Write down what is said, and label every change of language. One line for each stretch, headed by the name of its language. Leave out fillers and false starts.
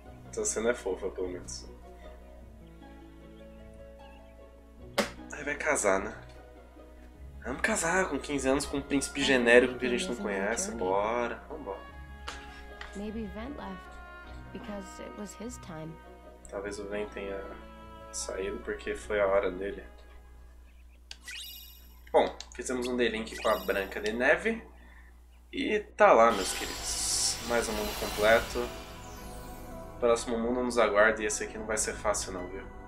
Portuguese: Essa cena é fofa, pelo menos. Aí vai casar, né? Vamos casar com 15 anos com um príncipe genérico que a gente não conhece. Bora, vambora.
English: Maybe Vent left because it was his time.
Portuguese: Talvez o Vent tenha saído porque foi a hora dele. Bom, fizemos um delink com a Branca de Neve. E tá lá, meus queridos. Mais um mundo completo. O próximo mundo nos aguarda e esse aqui não vai ser fácil não, viu?